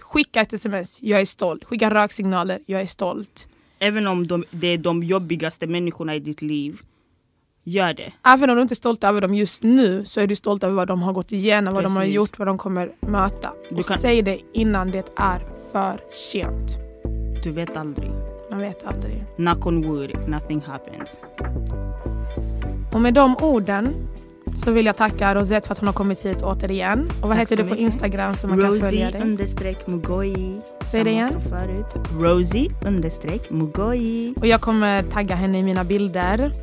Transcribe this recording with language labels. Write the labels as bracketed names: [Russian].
[Swedish] Skicka ett sms. Jag är stolt. Skicka röksignaler. Jag är stolt. Även om det är de jobbigaste människorna i ditt liv. Gör det. Även om du inte är stolt över dem just nu, så är du stolt över vad de har gått igenom. Precis. Vad de har gjort, vad de kommer möta. Du kan... säg det innan det är för sent. Du vet aldrig. Man vet aldrig. [English] Knock on wood, nothing happens. [Swedish] Och med de orden så vill jag tacka Rosette för att hon har kommit hit återigen. Och vad heter du på Instagram så man Rosie_Mugoyi. Säg det igen. Rosie_Mugoyi. Och jag kommer tagga henne i mina bilder.